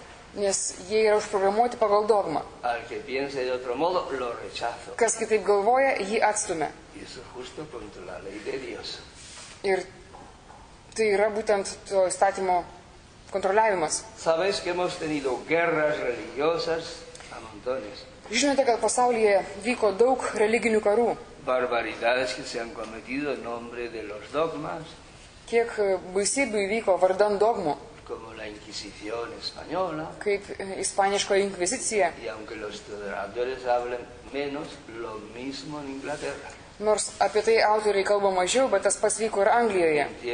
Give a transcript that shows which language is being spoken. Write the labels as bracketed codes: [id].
[lt] Nes jie yra užprogramuoti pagal dogmą. Kas kitaip galvoja, jį atstumė. Ir tai yra būtent to įstatymo kontroliavimas. [es] Sabes que hemos tenido guerras religiosas a montones. [lt] Žinote, kad pasaulyje vyko daug religinių karų. [es] Barbaridades que se han cometido en nombre de los dogmas. [lt] Kiek baisybių vyko vardan dogmų. [es] Como la Inquisición española. [lt] Kaip ispaniško inkvizicija. [es] Y aunque los historiadores hablen menos, lo mismo en Inglaterra. [lt] Nors apie tai autoriai kalba mažiau, bet tas pats vyko ir Anglijoje.